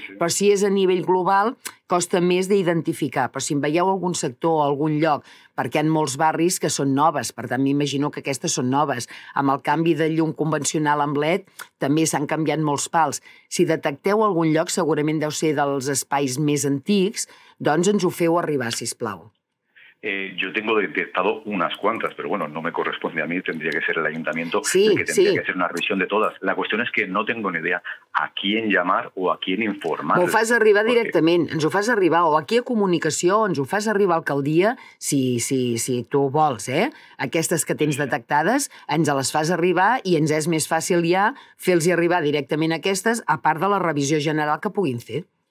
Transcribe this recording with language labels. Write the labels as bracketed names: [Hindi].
[Catalan] però si és a nivell global costa més d'identificar, però si en veieu algun sector o algun lloc, perquè hi ha molts barris que són noves, per tant m'imagino que aquestes són noves, amb el canvi de llum convencional amb LED també s'han canviat molts pals, si detecteu algun lloc segurament deu ser dels espais més antics, doncs ens ho feu arribar, sisplau. [Spanish] Yo tengo detectado unas cuantas, pero bueno, no me corresponde a mí, tendría que ser el ayuntamiento el que tendría que hacer una revisión de todas. La cuestión es que no tengo ni idea a quién llamar o a quién informar. [Catalan] Ho fas arribar directament, ens ho fas arribar, o aquí a comunicació, ens ho fas arribar a alcaldia, si tu vols, aquestes que tens detectades, ens les fas arribar i ens és més fàcil ja fer-los arribar directament aquestes, a part de la revisió general que puguin fer.